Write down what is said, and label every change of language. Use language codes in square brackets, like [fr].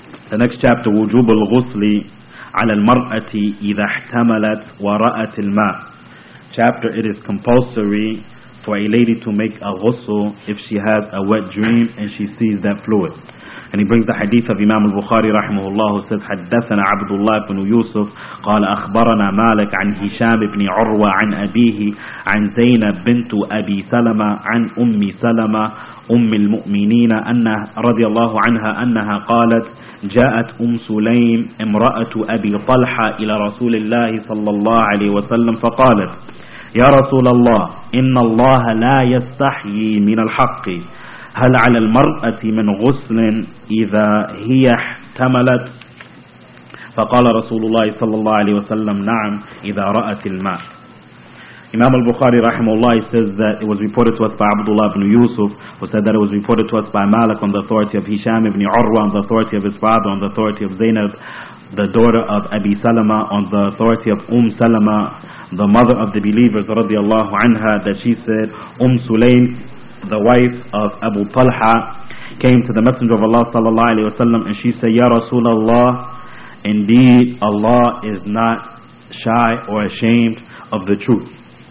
[en] The next chapter, [ar] wujub al-ghusli ala al-mar'ati idha ihtamalat wa ra'at al-ma. [en] Chapter, it is compulsory for a lady to make a ghusl if she has a wet dream and she sees that fluid. And he brings the hadith of Imam al-Bukhari rahimahullah, who says, [ar] حَدَّثَنَا عَبْدُ اللَّهِ بْنُ يُوسُفُ قَالَ أَخْبَرَنَا مَالِكَ عَنْ هِشَامِ بْنِ عُرْوَى عَنْ أَبِيهِ عَنْ زَيْنَبْ بِنْتُ أَبِي سَلَمَى عَنْ أُمِّ سَلَمَى أُمِّ الْمُؤْمِنِينَ أَنَّهَا رضي الله عنها أنها قالت جاءت سليم امرأة أبي طلحة إلى رسول الله صلى الله عليه وسلم فقالت يا رسول الله إن الله لا يستحي من الحق هل على المرأة من غسل إذا هي احتملت فقال رسول الله صلى الله عليه وسلم نعم إذا رأت الماء. [en] Imam al-Bukhari rahimahullah says that it was reported to us by Abdullah ibn Yusuf, who said that it was reported to us by Malik on the authority of Hisham ibn Urwa, on the authority of his father, on the authority of Zainab, the daughter of Abi Salama, on the authority of Salama, the mother of the believers radiallahu anha, that she said Sulaym, the wife of Abu Talha, came to the Messenger of Allah sallallahu alayhi wa sallam, and she said, Ya Rasulallah, indeed Allah is not shy or ashamed of the truth.